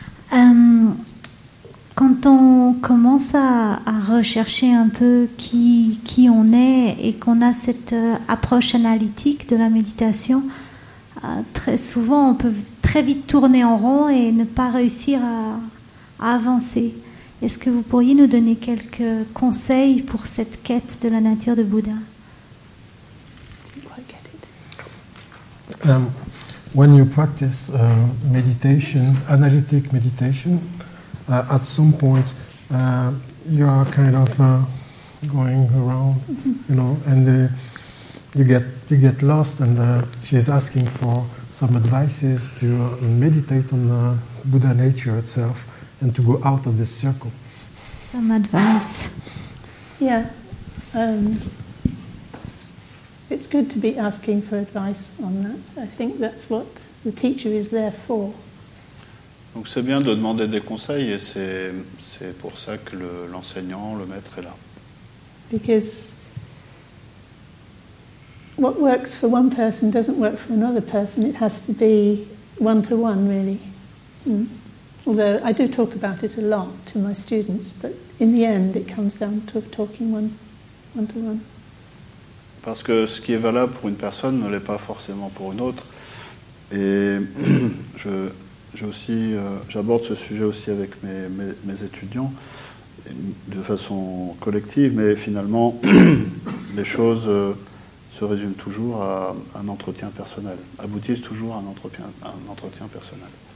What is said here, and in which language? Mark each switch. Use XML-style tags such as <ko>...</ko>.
<fr>Quand on commence à rechercher un peu qui on est et qu'on a cette approche analytique de la méditation, très souvent on peut très vite tourner en rond et ne pas réussir à avancer. Est-ce que vous pourriez nous donner quelques conseils pour cette quête de la nature de Bouddha?</fr> <en>When you practice meditation, analytic meditation, at some point you are kind of going around, you know, and you get lost. And she's asking for some advices to meditate on the Buddha nature itself and to go out of this circle. Some advice. Yeah. It's good to be asking for advice on that. I think that's what the teacher is there for.</en> <fr>Donc c'est bien de demander des conseils et c'est pour ça que l'enseignant, le maître est là.</fr> <en>Because what works for one person doesn't work for another person. It has to be one-to-one, really. Although I do talk about it a lot to my students, but in the end, it comes down to talking one-to-one.</en> <fr>Parce que ce qui est valable pour une personne ne l'est pas forcément pour une autre. Et j'aborde ce sujet aussi avec mes étudiants de façon collective, mais finalement, les choses se résument toujours à un entretien personnel, aboutissent toujours à un entretien personnel.</fr>